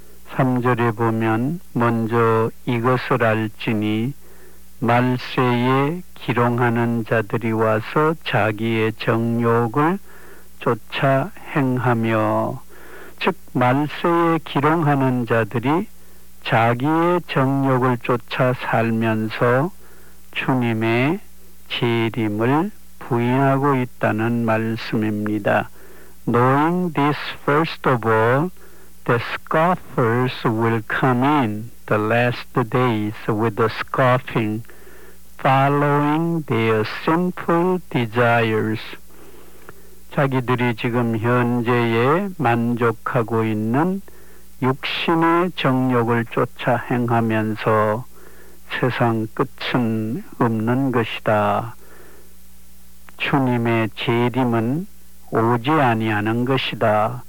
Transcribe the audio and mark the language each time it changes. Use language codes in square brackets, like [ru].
[ko] 3절에 보면 먼저 이것을 알지니 말세에 기롱하는 자들이 와서 자기의 정욕을 쫓아 행하며, 즉 말세에 기롱하는 자들이 자기의 정욕을 쫓아 살면서 주님의 재림을 부인하고 있다는 말씀입니다. [en] Knowing this first of all, the scoffers will come in the last days with the scoffing, following their sinful desires. [ko] 자기들이 지금 현재에 만족하고 있는 육신의 정욕을 쫓아 행하면서 세상 끝은 없는 것이다. 주님의 재림은 오지 아니하는 것이다.